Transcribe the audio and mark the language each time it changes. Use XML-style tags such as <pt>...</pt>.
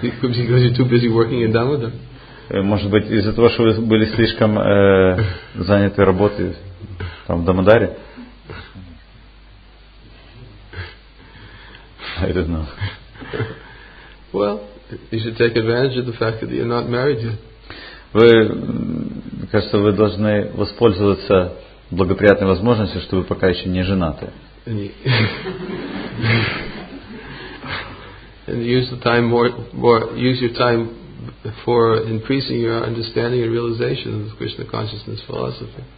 <en>Because you're too busy working in Dhamma, then?</en> <ru>Может быть, из-за того, что вы были слишком заняты работой там в Дамодаре?</ru> <en>I don't know. Well, you should take advantage of the fact that you're not married yet.</en> <ru>Вы, кажется, вы должны воспользоваться благоприятной возможностью, что вы пока еще не женаты.</ru> <en>And use the time more use your time for increasing your understanding and realization of Krishna consciousness philosophy.</en>